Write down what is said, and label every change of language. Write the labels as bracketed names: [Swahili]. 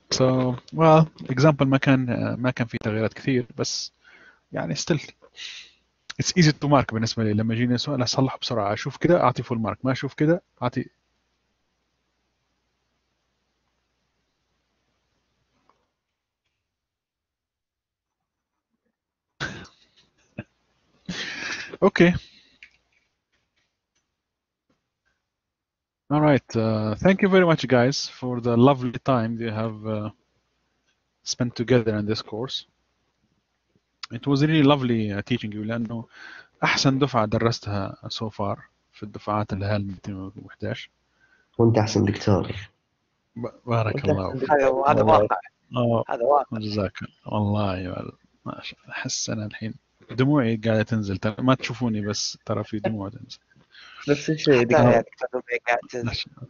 [English] So, well, example [Arabic] ما كان في تغييرات كثير بس يعني [English] still it's easy to mark [Arabic] بالنسبة لي لما جينا سؤال أصلح بسرعة أشوف كده أعطي [English] full mark [Arabic] ما أشوف كده أعطي okay. [English] All right. Thank you very much, guys, for the lovely time you have spent together in this course. It was really lovely teaching you. [Arabic] لأنه أحسن دفعة درستها [English] so far [Arabic] في الدفعات اللي هال 211. وأنت أحسن دكتور. بارك الله. هذا واقع. هذا واقع. جزاك الله يا ول. ما شاء الله. أحس أنا الحين دموعي قاعدة تنزل. ما تشوفوني بس ترى في دموع تنزل.